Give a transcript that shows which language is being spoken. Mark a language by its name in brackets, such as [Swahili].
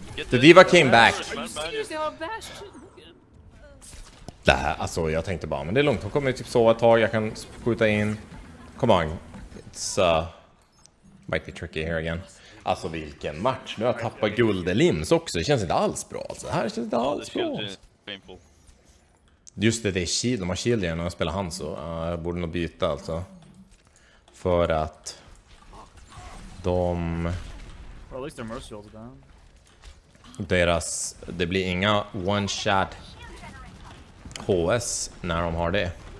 [English] The D.Va came back. [Swedish] Det här, alltså jag tänkte bara, men det är lugnt. Hon kommer ju typ sova ett tag, jag kan skjuta in. [English] Come on. It's might be tricky here again. [Swedish] Alltså vilken match. Nu har jag tappat guldelims också. Det känns inte alls bra alltså. Det här känns inte alls bra. Just det, det är shield. De har shield igen när jag spelar han så. Jag borde nog byta alltså. För att... De... [English] Well, at least their mercy also down. [Swedish] Deras, det blir inga one-shot HS när de har det.